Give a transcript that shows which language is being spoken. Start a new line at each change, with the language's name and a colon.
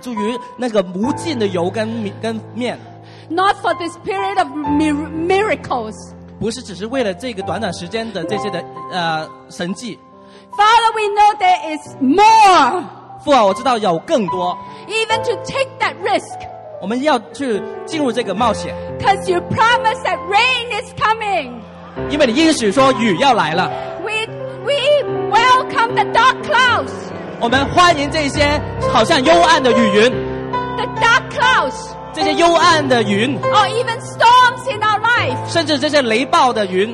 Chinese: 靠着恩典，我们要相信你更多。我们不是只单单的满足于那个无尽的油跟面。
English: Not for this period of miracles.
Chinese: 不是只是为了这个短短时间的这些的神迹。
English: Father, we know there is more.
Chinese: 父啊，我知道有更多。
English: Even to take that risk.
Chinese: 我们要去进入这个冒险。
English: Because you promised that rain is coming.
Chinese: 因为你应许说雨要来了。
English: We welcome the dark clouds.
Chinese: 我们欢迎这些好像幽暗的雨云。
English: The dark clouds.
Chinese: 这些幽暗的云。
English: Or even storms in our life.
Chinese: 甚至这些雷暴的云。
English: We